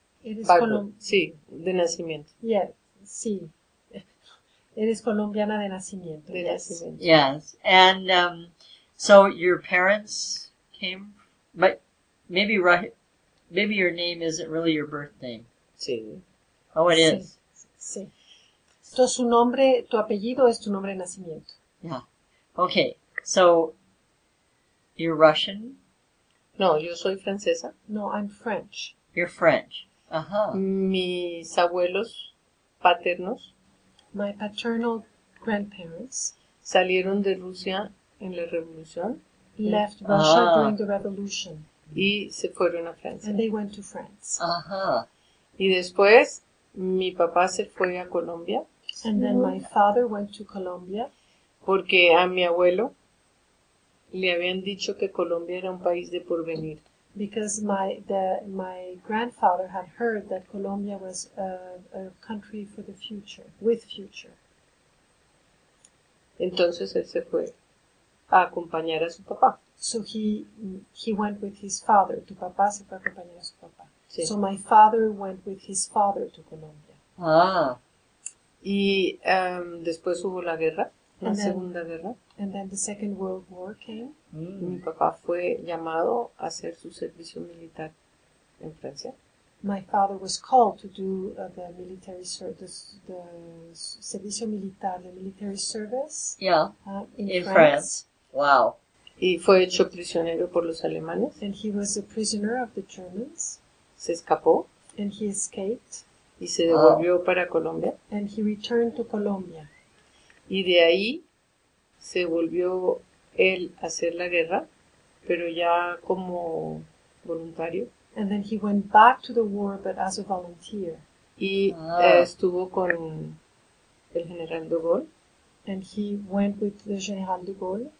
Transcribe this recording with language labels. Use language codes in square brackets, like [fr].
[es] Sí, de nacimiento. Yeah, sí. Eres colombiana de nacimiento. De [en] yes. [es] nacimiento. [en] Yes, and so your parents came. But maybe maybe your name isn't really your birth name. [es] Sí. [en] Oh, it [es] sí. [en] is. [es] Sí. Entonces, su nombre, tu apellido es tu nombre de nacimiento. [en] Yeah. Okay. So, you're Russian? [es] No, yo soy francesa. [en] No, I'm French. You're French. Uh-huh. [es] Mis abuelos paternos. [en] My paternal grandparents. [es] Salieron de Rusia en la Revolución. [en] Left Russia uh-huh. during the Revolution. [es] Y se fueron a Francia. [en] And they went to France. Uh-huh. [es] Y después, mi papá se fue a Colombia. [en] And then my father went to Colombia. [es] Porque a mi abuelo le habían dicho que Colombia era un país de porvenir. [en] Because my grandfather had heard that Colombia was a country for the future, with future. [es] Entonces él se fue a acompañar a su papá. [en] So he went with his father. [es] Tu papá se fue a acompañar a su papá. Sí. [en] So my father went with his father to Colombia. Ah. [es] Y después hubo la guerra, la Segunda Guerra. [en] And then the Second World War came. Mm. [es] Mi papá fue llamado a hacer su servicio militar en Francia. [en] My father was called to do the military service, the servicio militar, the military service. Yeah. In France. Wow. [es] Y fue hecho prisionero por los alemanes. [en] And he was a prisoner of the Germans. [es] Se escapó. [en] And he escaped. [es] Y se devolvió para Colombia. [en] And he returned to Colombia. [es] Y de ahí se volvió él a hacer la guerra, pero ya como voluntario. [en] And then he went back to the war, but as a volunteer. [es] Y estuvo con el general de Gaulle. [en] And he went with the general de Gaulle.